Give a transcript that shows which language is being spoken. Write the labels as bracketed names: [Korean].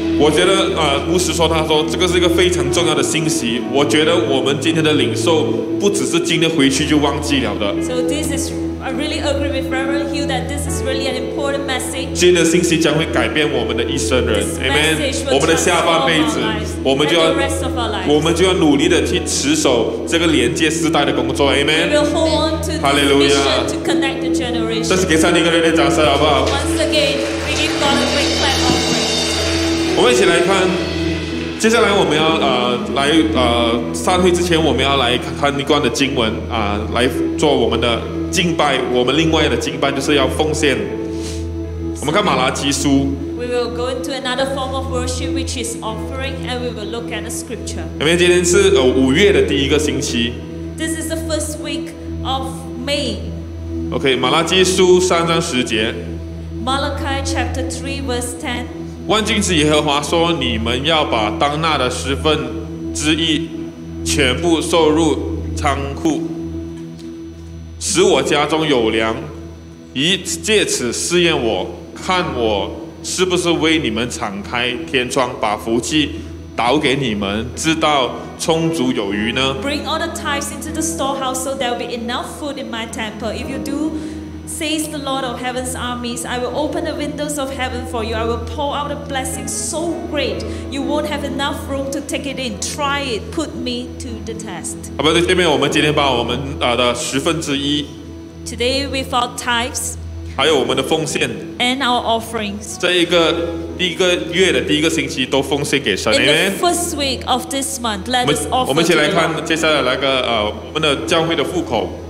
[Chinese] 我觉得牧师说，他说这个是一个非常重要的信息。我觉得我们今天的领受不只是今天回去就忘记了的。 [English] So this is, I really agree with Reverend Hugh that this is really an important message. [Chinese] 今天的信息将会改变我们的一生人。 Amen。我们的下半辈子，我们就要努力的去持守这个连接世代的工作。 Amen。 [English] We will hold on to the mission to connect the generation. [Chinese] 这是给上帝一个热烈掌声，好不好 [English] ？Once again, we give God a great clap. [Chinese] 我们一起来看，接下来我们要散会之前，我们要来看一段的经文来做我们的敬拜。我们另外的敬拜就是要奉献。我们看马拉基书。 [English] We will go into another form of worship, which is offering, and we will look at the scripture. [Chinese] 因为今天是五月的第一个星期。 [English] This is the first week of May. [Chinese] Okay, 马拉基书三章十节。 [English] Malachi chapter 3 verse 10. [Chinese] 万军之耶和华说：“你们要把当纳的十分之一全部收入仓库，使我家中有粮，以借此试验我，看我是不是为你们敞开天窗，把福气倒给你们，直到充足有余呢？” [English] Bring all the tithes into the storehouse, so there will be enough food in my temple. If you do. Says the Lord of Heaven's armies, I will open the windows of heaven for you. I will pour out a blessing so great you won't have enough room to take it in. Try it, put me to the test. [Chinese] 好吧，对，下面我们今天把我们的十分之一 [English] ，Today with our tithes， [Chinese] 还有我们的奉献 [English] ，and our offerings， [Chinese] 这一个第一个月的第一个星期都奉献给神。 [English] In the first week of this month, let us offer. [Chinese] 我们一起来看接下来那个我们的教会的户口。